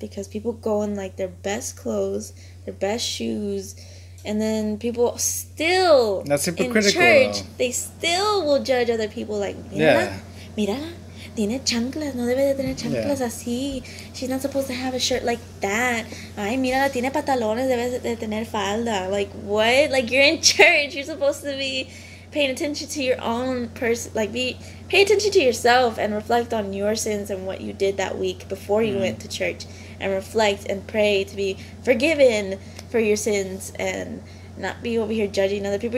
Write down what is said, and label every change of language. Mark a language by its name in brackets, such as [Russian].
[English] Because people go in, like, their best clothes, their best shoes. And then people still, that's hypocritical, in church, though, they still will judge other people, like, [Spanish] mira, tiene chanclas, no debe de tener chanclas así. [English] She's not supposed to have a shirt like that. [Spanish] Ay, mira, tiene pantalones, debe de tener falda. [English] Like, what? Like, you're in church, you're supposed to be paying attention to your own person, like, pay attention to yourself and reflect on your sins and what you did that week before you went to church, and reflect and pray to be forgiven for your sins and not be over here judging other people.